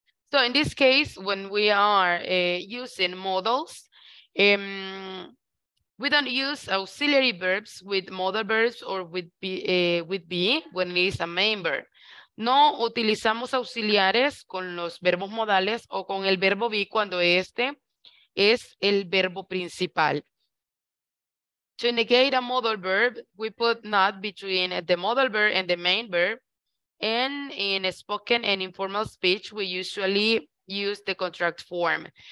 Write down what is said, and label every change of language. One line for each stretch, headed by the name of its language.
English: So in this case, when we are using modals, we don't use auxiliary verbs with modal verbs or with be when it is a main verb.
Spanish: No utilizamos auxiliares con los verbos modales o con el verbo be cuando este es el verbo principal.
English: To negate a modal verb, we put not between the modal verb and the main verb. And in a spoken and informal speech, we usually use the contract form.